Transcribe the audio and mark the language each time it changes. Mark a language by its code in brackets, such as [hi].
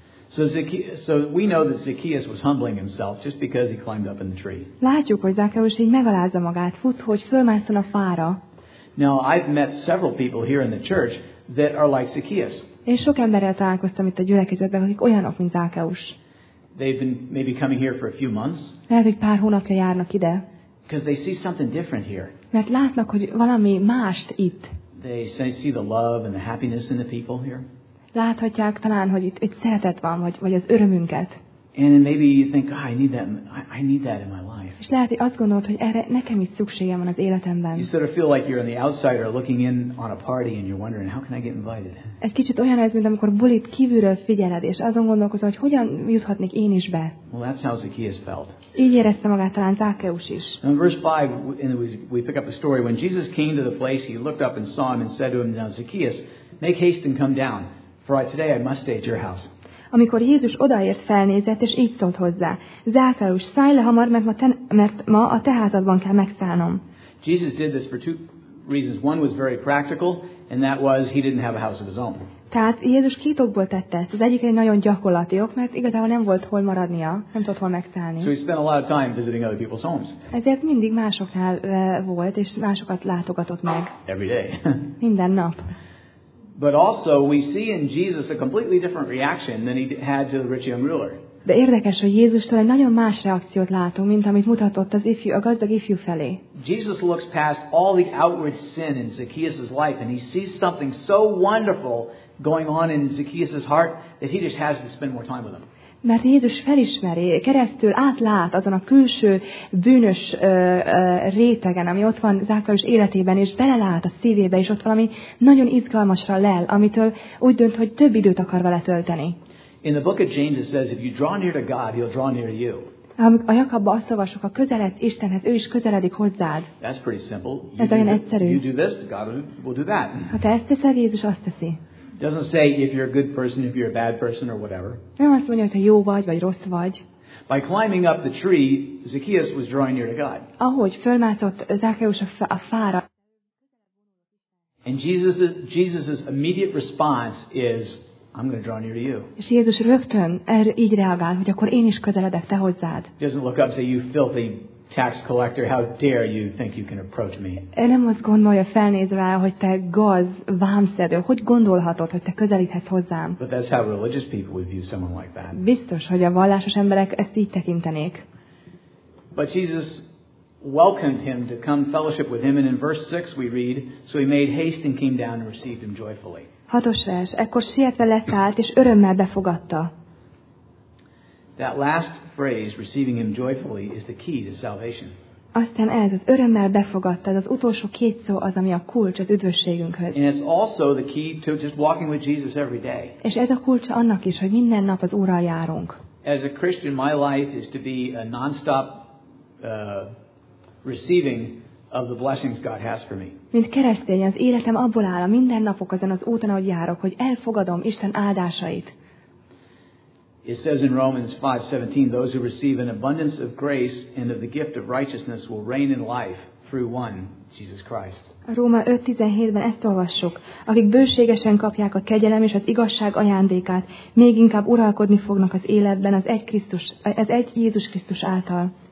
[en] So we know that Zacchaeus was humbling himself just because he climbed up in the tree. [hu] Látjuk, hogy Zacchaeus így megalázza magát, fut, hogy fölmászon a fára. [en] Now I've met several people here in the church that are like Zacchaeus. [hu] Én sok emberrel találkoztam itt a gyülekezetben, akik olyanok, mint Zacchaeus. [en] They've been maybe coming here for a few months. [hu] Lehet, hogy pár hónapja járnak ide. [en] Because they see something different here. [hu] Mert látnak, hogy valami mást itt. [en] They see the love and the happiness in the people here. [hu] Láthatják talán, hogy itt szeretet van, vagy az örömünket. [en] And maybe you think, oh, I need that in my life. [hu] És lehet, hogy azt gondolod, hogy erre nekem is szükségem van az életemben. [en] You sort of feel like you're on the outsider looking in on a party and you're wondering how can I get invited. [hu] Egy kicsit olyan ez, mint amikor bulit kívülről figyeled, és azon gondolkozol, hogy hogyan juthatnék én is be. [en] Well, that's how Zacchaeus felt. [hu] Így érezte magát talán Zacchaeus is. [en] In verse 5, we pick up the story. When Jesus came to the place, he looked up and saw him and said to him, now Zacchaeus, make haste and come down. For today I must stay at your house. [hu] Amikor Jézus odaért, felnézett és így szólt hozzá: Zákeus, szállj le hamar, mert ma a te házadban kell megszállnom. [en] Jesus did this for two reasons. One was very practical, and that was he didn't have a house of his own. [hu] Tehát Jézus két okból tette ezt. Az egyik egy nagyon gyakorlati ok, mert igazából nem volt hol maradnia, nem tudott hol megszállni. [en] So he spent a lot of time visiting other people's homes. [hu] Ezért mindig másoknál volt, és másokat látogatott meg. [en] Every day. [hu] Minden nap. [en] But also we see in Jesus a completely different reaction than he had to the rich young ruler. [hu] De érdekes, hogy Jézustól egy nagyon más reakciót látunk, mint amit mutatott az ifjú, a gazdag ifjú felé. [en] Jesus looks past all the outward sin in Zacchaeus's life and he sees something so wonderful going on in Zacchaeus's heart that he just has to spend more time with him. [hu] Mert Jézus felismeri, keresztül átlát azon a külső bűnös rétegen, ami ott van Zákeus életében, és belelát a szívébe, és ott valami nagyon izgalmasra lel, amitől úgy dönt, hogy több időt akar vele tölteni. [en] In the book of James it says if you draw near to God, he'll draw near to you. [hu] A Jakabban azt olvasok, ha közeled Istenhez, ő is közeledik hozzád. [en] That's pretty simple. [hu] Ez olyan egyszerű. [en] You do this, God will do that. [hu] Ha te ezt teszel, Jézus azt teszi. [en] Doesn't say if you're a good person, if you're a bad person or whatever. [hu] Nem azt mondja, hogy te jó vagy vagy rossz vagy. [en] By climbing up the tree, Zacchaeus was drawing near to God. [hu] Ahogy fölmászott Zákeus a fára. [en] And Jesus's immediate response is I'm going to draw near to you. [hu] És Jézus rögtön így reagál, hogy akkor én is közeledek te hozzád. [en] Doesn't look up and say you filthy tax collector, how dare you think you can approach me? [hu] Nem azt gondolja, felnéz rá, hogy te gaz, vámszedő, hogy gondolhatod, hogy te közelíthetsz hozzám? [en] But that's how religious people would view someone like that. [hu] Biztos, hogy a vallásos emberek ezt így tekintenék. [en] But Jesus welcomed him to come fellowship with him, and in verse 6 we read, so he made haste and came down and received him joyfully. [hu] Hatos vers, ekkor sietve leszállt és örömmel befogadta. [en] That last phrase, receiving him joyfully, is the key to salvation. [hu] Aztán ez, az örömmel befogadta, az utolsó két szó az, ami a kulcs az üdvösségünkhöz. [en] And it's also the key to just walking with Jesus every day. [hu] És ez a kulcs annak is, hogy minden nap az Úrral járunk. [en] As a Christian, my life is to be a non-stop receiving of the blessings God has for me. [hu] Mint keresztény, az életem abból áll, a minden napok azon az úton, ahogy járok, hogy elfogadom Isten áldásait. [en] It says in Romans 5:17, those who receive an abundance of grace and of the gift of righteousness will reign in life through one, Jesus Christ. [hu] Róma 5:17-ben ezt olvassuk. Akik bőségesen kapják a kegyelem és az igazság ajándékát, még inkább uralkodni fognak az életben az egy Jézus Krisztus által.